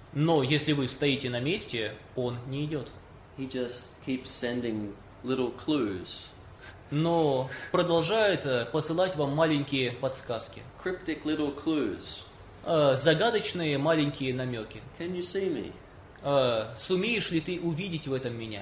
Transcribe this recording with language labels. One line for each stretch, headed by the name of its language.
Russian: Но если вы стоите на месте, Он не идет.
English: He just keeps sending little clues.
Russian: Но продолжает посылать вам маленькие подсказки.
English: Cryptic little clues.
Russian: Загадочные маленькие намеки.
English: Can you see me?
Russian: Сумеешь ли ты увидеть в этом меня?